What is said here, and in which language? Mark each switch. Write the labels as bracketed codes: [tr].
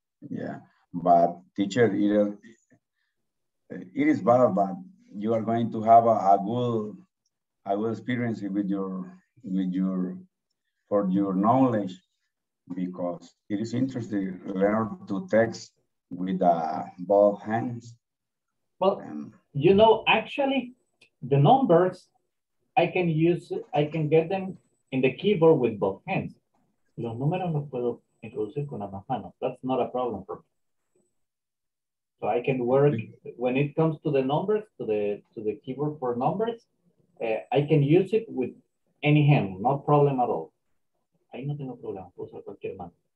[en] Yeah, but teacher, it is bad, but you are going to have a good experience with your knowledge, because it is interesting to learn to text with both hands. Well, you know, actually the numbers I can get them in the keyboard with both hands. [es] Los números los puedo introducir con ambas manos. [en] That's not a problem for me. So I can work when it comes to the numbers, to the keyboard for numbers. I can use it with any hand, no problem at all. [es] Ahí no tengo problema, puedo usar cualquier mano.